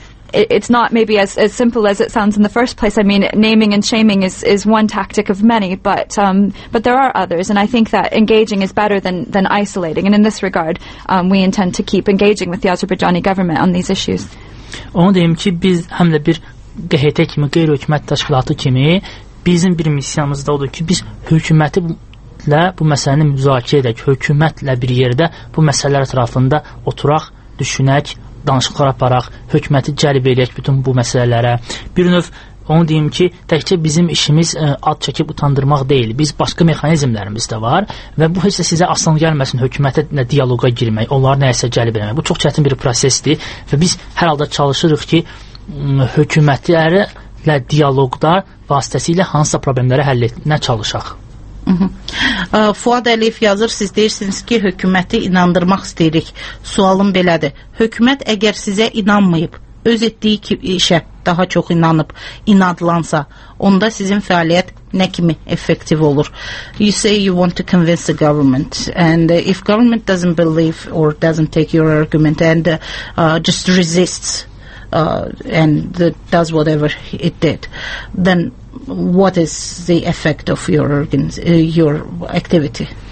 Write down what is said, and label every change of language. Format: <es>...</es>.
<en>It's not maybe as simple as it sounds in the first place. I mean, naming and shaming is one tactic of many, but there are others, and I think that engaging is better than isolating. And in this regard, we intend to keep engaging with the Azerbaijani government on these issues.</en> <az>Onu deyim ki, biz həm də bir QHT kimi, qeyri-hökumət təşkilatı kimi, bizim bir missiyamız da odur ki, biz hökumətlə bu məsələni müzakirə edək, hökumətlə bir yerdə bu məsələlər ətrafında oturaq, düşünək, danışıqlar aparaq, hökuməti cəlb edək bütün bu məsələlərə. Bir növ, onu deyim ki, təkcə bizim işimiz ad çəkib utandırmaq deyil, biz başqa mexanizmlərimiz də var və bu heç də sizə asan gəlməsin hökumətə dialoqa girmək, onları nəyəsə cəlb eləmək. Bu çox çətin bir prosesdir və biz hər halda çalışırıq ki, hökumətləri ilə dialoqda vasitəsilə hansısa problemləri həll etməyə çalışaq. Fuad Əliyev yazır, siz deyirsiniz ki, hökuməti inandırmaq istəyirik. Sualım belədir. Hökumət əgər sizə inanmayıb, öz etdiyi işə daha çox inanıb, inadlansa, onda sizin fəaliyyət nə kimi effektiv olur?</az> <en>You say you want to convince the government, and if government doesn't believe or doesn't take your argument and just resists, and does whatever it did, then what is the effect of your activity?</en>